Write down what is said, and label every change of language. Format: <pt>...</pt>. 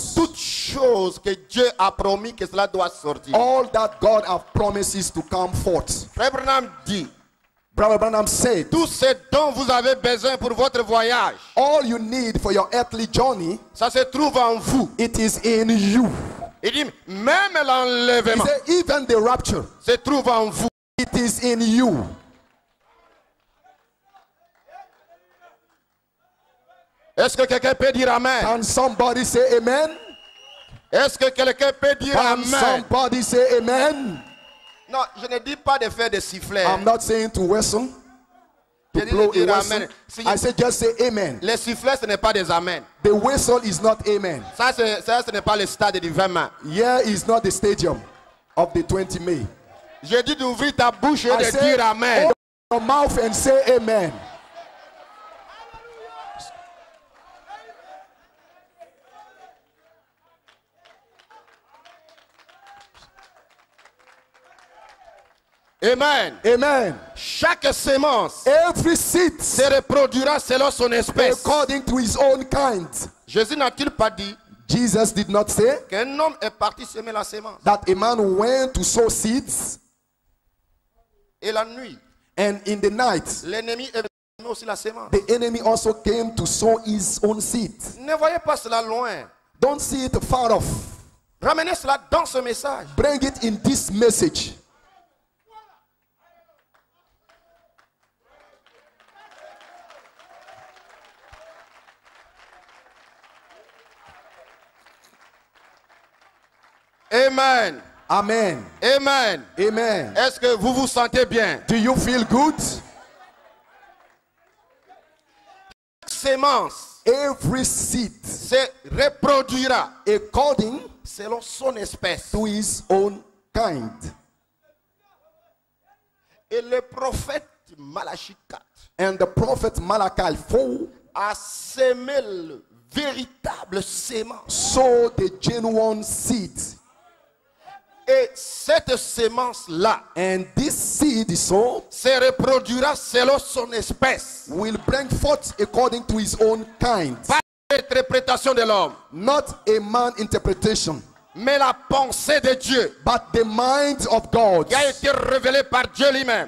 <fr>toute chose que Dieu a promis que cela doit sortir,</fr> <en>all that God has promises to come forth.</en> <fr>Frère Branham dit,</fr> <en>Brother Branham said,</en> <fr>tout ce dont vous avez besoin pour votre voyage,</fr> <en>all you need for your earthly journey,</en> <fr>ça se trouve en vous.</fr> <en>It is in you.</en> <fr>Il dit, même l'enlèvement,</fr> <en>he said, even the rapture,</en> <fr>se trouve en vous.</fr> <en>It is in you.</en> <fr>Est-ce que quelqu'un peut dire amen?</fr> <en>Can somebody say amen?</en> <fr>Est-ce que quelqu'un peut dire</fr> <en>can</en> <fr>amen?</fr> <en>Can somebody say amen?</en> <fr>Non, je ne dis pas de faire des sifflets.</fr> <en>I'm not saying to whistle, to blow a whistle. I say just say amen.</en> <fr>Les sifflets, ce n'est pas des amen.</fr> <en>The whistle is not amen.</en> <fr>Ça, ce n'est pas le stade du 20 mai.</fr> <en>Here is not the stadium of the 20 May.</en> <fr>Je dis d'ouvrir ta bouche et de dire amen.</fr> <en>Open your mouth and say amen.</en> <fr>Amen.</fr> <en>Amen.</en> <fr>Chaque semence,</fr> <en>every seed,</en> <fr>se reproduira selon son espèce,</fr> <en>according to his own kind.</en> <fr>Jésus n'a-t-il pas dit,</fr> <en>Jesus did not say,</en> <fr>qu'un homme est parti semer la semence,</fr> <en>that a man went to sow seeds,</en> <fr>et la nuit,</fr> <en>and in the night,</en> <fr>l'ennemi est venu aussi la semence.</fr> <en>The enemy also came to sow his own seeds.</en> <fr>Ne voyez pas cela loin.</fr> <en>Don't see it far off.</en> <fr>Ramenez cela dans ce message.</fr> <en>Bring it in this message.</en> <fr>Amen.</fr> <en>Amen.</en> <fr>Amen.</fr> <en>Amen.</en> <fr>Est-ce que vous vous sentez bien?</fr> <en>Do you feel good?</en> <fr>Semence.</fr> <en>Every seed.</en> <fr>Se reproduira.</fr> <en>According.</en> <fr>Selon son espèce.</fr> <en>To his own kind.</en> <fr>Et le prophète Malachi 4.</fr> <en>And the prophet Malachi 4.</en> <fr>A semé le véritable semence.</fr> <en>Sow the genuine seed.</en> <fr>Et cette semence là,</fr> <en>and this seed so,</en> <fr>se reproduira selon son espèce.</fr> <en>Will bring forth according to his own kind.</en> <fr>Pas l'interprétation de l'homme.</fr> <en>Not a man interpretation.</en> <fr>Mais la pensée de Dieu.</fr> <en>But the mind of God.</en> <fr>Qui a été révélé par Dieu lui-même.</fr>